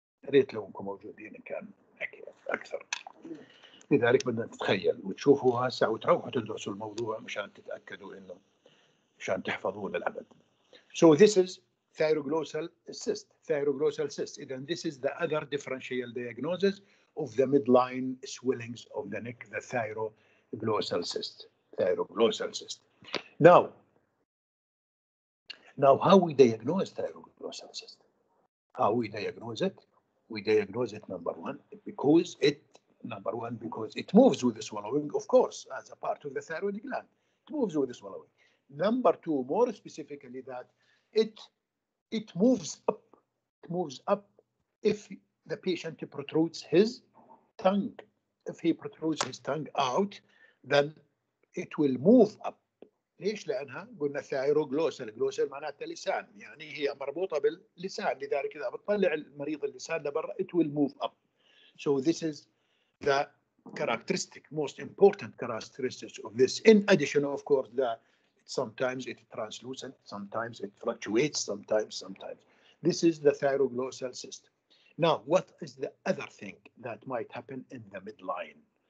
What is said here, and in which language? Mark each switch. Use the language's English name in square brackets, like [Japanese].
[Arabic] ريت لو إنكم موجودين كان أكثر. لذلك بدنا نتخيل وتشوفوا هسه وتروحوا تدرسوا الموضوع مشان تتأكدوا إنه مشان تحفظوه للأبد. [English] So this is thyroglossal cyst. Thyroglossal cyst. Then this is the other differential diagnosis of the midline swellings of the neck, the thyroglossal cyst. Thyroglossal cyst. Now how we diagnose thyroglossal cyst? How we diagnose it? We diagnose it, number one, because it moves with the swallowing, of course, as a part of the thyroid gland. It moves with the swallowing. Number two, more specifically, that it moves up. It moves up if the patient protrudes his tongue. If he protrudes his tongue out, then it will move up. [Arabic] ليش؟ لأنها قلنا الثايروغلوسال، الجلوسال معناتها لسان، يعني هي مربوطة باللسان، لذلك إذا بتطلع المريض اللسان لبرا [English] it will move up. So this is the characteristic, most important characteristics of this. In addition, of course, that sometimes it translucent, sometimes it fluctuates, sometimes. This is the thyroglossal system. Now, what is the other thing that might happen in the midline?